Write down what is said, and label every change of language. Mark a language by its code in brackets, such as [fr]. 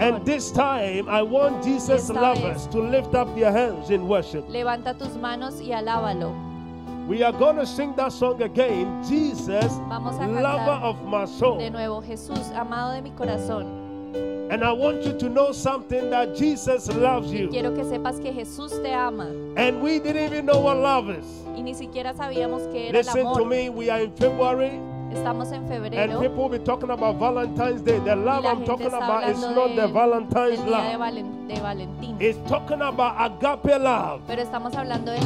[en] And this time, I want Jesus lovers to lift up your hands in worship. [es] Levanta tus manos y alábalo. [en] We are going to sing that song again, Jesus, lover of my soul. [es] De nuevo, Jesús, amado de mi corazón. [en] And I want you to know something that Jesus loves you. [es] Y quiero que sepas que Jesús te ama. [en] And we didn't even know what love is. [es] Y ni siquiera sabíamos que era [en] Listen [es] el amor. [en] To me, we are in February. [es] Estamos en febrero. [en] And people will be talking about Valentine's Day. The love I'm talking about is not [es] de, [en] the Valentine's [es] del día [en] love. [es] De Valentín. [en] It's talking about agape love. [es] Pero estamos hablando del